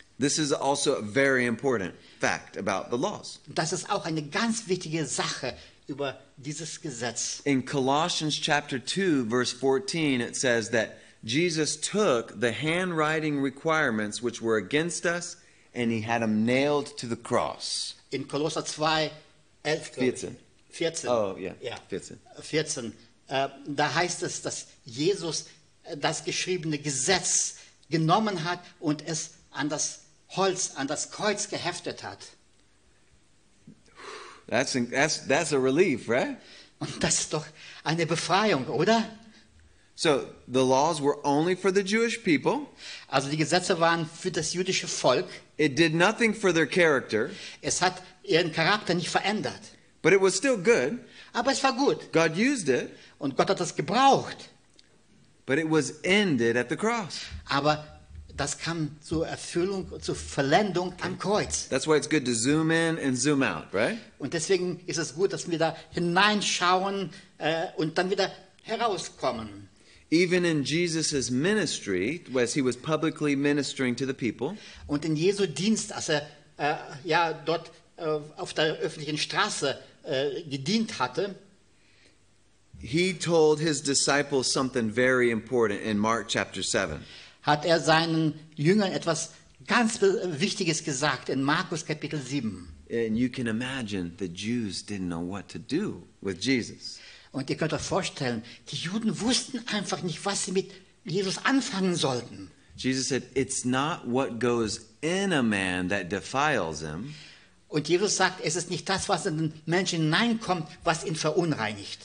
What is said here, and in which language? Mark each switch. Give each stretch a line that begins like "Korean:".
English: This is also a very important fact about the laws.
German: Das ist auch eine ganz wichtige Sache über dieses Gesetz.
English: In Colossians chapter 2, verse 14, it says that Jesus took the handwriting requirements which were against us and he had them nailed to the cross.
German: In Kolosser 2, 11, 14. 14.
English: Oh, yeah. 14.
German: 14. Da heißt es, dass Jesus das geschriebene Gesetz genommen hat und es an das Holz, an das Kreuz geheftet hat.
English: That's a relief, right?
German: Und das ist doch eine Befreiung, oder?
English: So the laws were only for the Jewish people.
German: Also die Gesetze waren für das jüdische Volk.
English: It did nothing for their character.
German: Es hat ihren Charakter nicht verändert.
English: But it was still good.
German: Aber es war gut.
English: God used it.
German: Und Gott hat es gebraucht.
English: But it was ended at the cross.
German: Aber das kam zur Erfüllung, zur Vollendung am Kreuz.
English: That's why it's good to zoom in and zoom out, right?
German: Und deswegen ist es gut, dass wir da hineinschauen und dann wieder herauskommen.
English: Even in Jesus' ministry, as he was publicly ministering to the people.
German: Und in Jesu Dienst, als er ja dort auf der öffentlichen Straße gedient hatte.
English: He told his disciples something very important in Mark chapter 7.
German: Hat er seinen Jüngern etwas ganz Wichtiges gesagt in Markus Kapitel 7.
English: And you can imagine the Jews didn't know what to do with Jesus.
German: Und ihr könnt euch vorstellen, die Juden wussten einfach nicht, was sie mit Jesus anfangen sollten.
English: Jesus said, it's not what goes in a man that defiles him.
German: Und Jesus sagt, es ist nicht das, was in den Menschen hineinkommt, was ihn verunreinigt.